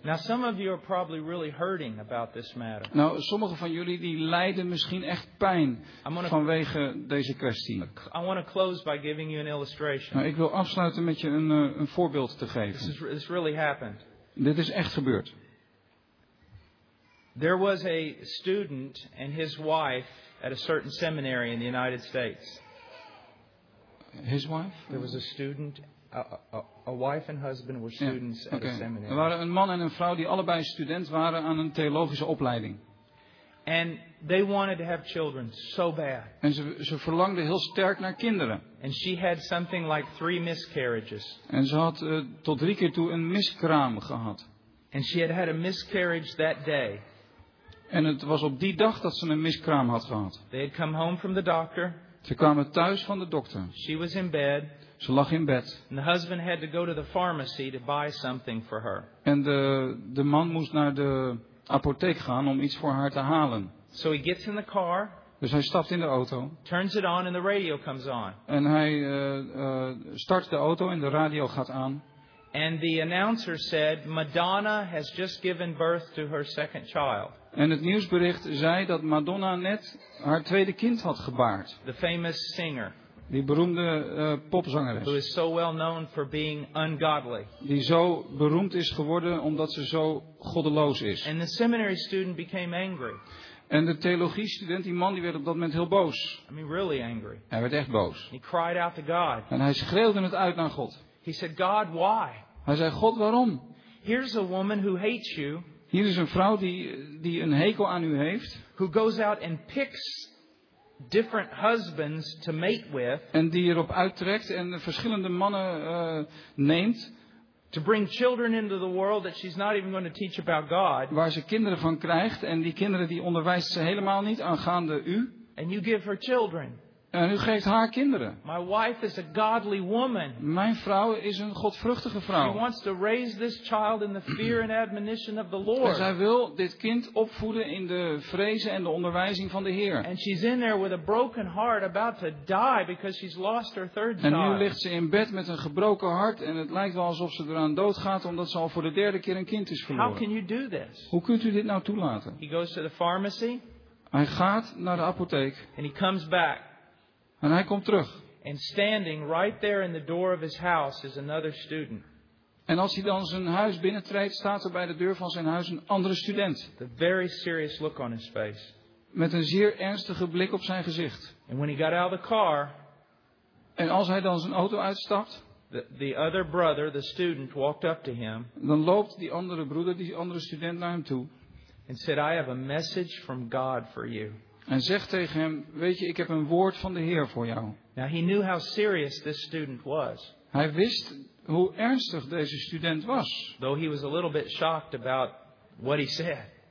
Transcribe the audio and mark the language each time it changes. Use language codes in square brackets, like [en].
[en] Now some of you are probably really hurting about this matter. [nl] Nou, sommige van jullie die lijden misschien echt pijn vanwege deze kwestie. [en] I want to close by giving you an illustration. [nl] Nou, ik wil afsluiten met je een voorbeeld te geven. [en] This really happened. [nl] Dit is echt gebeurd. [en] There was a student and his wife at a certain seminary in the United States. His wife? There was a student, a wife and husband were students, yeah, okay, at a seminary. [nl] Er waren een man en een vrouw die allebei student waren aan een theologische opleiding. [en] And they wanted to have children so bad. [nl] En ze verlangden heel sterk naar kinderen. [en] And she had something like 3 miscarriages. [nl] En ze had tot 3 keer toe een miskraam gehad. [en] And she had a miscarriage that day. [nl] En het was op die dag dat ze een miskraam had gehad. [en] They had come home from the doctor. [nl] Ze kwamen thuis van de dokter. [en] She was in bed. [nl] Ze lag in bed. [en] And the husband had to go to the pharmacy to buy something for her. [nl] En de man moest naar de apotheek gaan om iets voor haar te halen. [en] So he gets in the car. [nl] Dus hij stapt in de auto. [en] Turns it on and the radio comes on. [nl] En hij start de auto en de radio gaat aan. [en] And the announcer said Madonna has just given birth to her second child. [nl] En het nieuwsbericht zei dat Madonna net haar tweede kind had gebaard. [en] The famous singer. [nl] Die beroemde popzangeres. [en] Who is so well known for being ungodly. [nl] Die zo beroemd is geworden omdat ze zo goddeloos is. [en] And the seminary student became angry. [nl] En de theologiestudent, die man, die werd op dat moment heel boos. [en] I mean, really angry. [nl] Hij werd echt boos. [en] He cried out to God. [nl] En hij schreeuwde het uit naar God. [en] He said, God, why? [nl] Hij zei, God, waarom? [en] Here's a woman who hates you. [nl] Hier is een vrouw die een hekel aan u heeft. [en] Who goes out and picks different husbands to mate with. [nl] En die erop uittrekt en verschillende mannen neemt. [en] To bring children into the world that she's not even going to teach about God. [nl] Waar ze kinderen van krijgt en die kinderen die onderwijst ze helemaal niet aangaande u. [en] And you give her children. [nl] En u geeft haar kinderen. [en] My wife is a godly woman. [nl] Mijn vrouw is een godvruchtige vrouw. [en] She wants to raise this child in the fear and admonition of the Lord. [nl] En zij wil dit kind opvoeden in de vrezen en de onderwijzing van de Heer. [en] And she's in there with a broken heart, about to die because she's lost her third child. [nl] En nu ligt ze in bed met een gebroken hart en het lijkt wel alsof ze eraan doodgaat omdat ze al voor de derde keer een kind is verloren. [en] How can you do this? [nl] Hoe kunt u dit nou toelaten? [en] He goes to the pharmacy. [nl] Hij gaat naar de apotheek. [en] And he comes back. [nl] En hij komt terug. [en] And standing right there in the door of his house is another student. [nl] En als hij dan zijn huis binnentreedt, staat er bij de deur van zijn huis een andere student. [en] The very serious look on his face. [nl] Met een zeer ernstige blik op zijn gezicht. [en] And when he got out of the car, [nl] en als hij dan zijn auto uitstapt, [en] the other brother, the student, walked up to him. [nl] Dan loopt die andere broeder, die andere student, naar hem toe. [en] And said, I have a message from God for you. [nl] En zegt tegen hem, weet je, ik heb een woord van de Heer voor jou. [en] Now he knew how serious this student was. [nl] Hij wist hoe ernstig deze student was. [en] Though he was a little bit shocked about what he said.